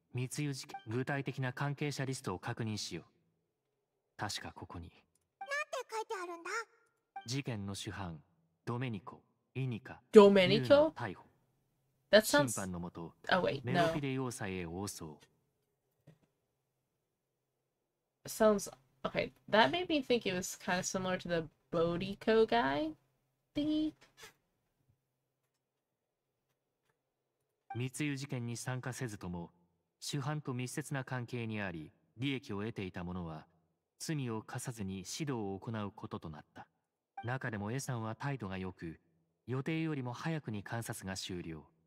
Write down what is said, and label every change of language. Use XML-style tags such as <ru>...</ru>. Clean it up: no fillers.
<ja>密輸事件、具体的な関係者リストを確認しよう。確かここに。なんて書いてあるんだ。事件の主犯、ドメニコ、イニカ、ドメニコ逮捕。</ja> <en>That sounds...</en> <ja>審判のもと、メロフィデ要塞へ応送。</ja> <en>sounds okay. That made me think it was kind of similar to the Bodico guy thingy.</en> <ja>密輸事件に参加せずとも主犯と密接な関係にあり利益を得ていた者は罪を犯さずに指導を行うこととなった。中でも A さんは態度が良く予定よりも早くに観察が終了。</ja>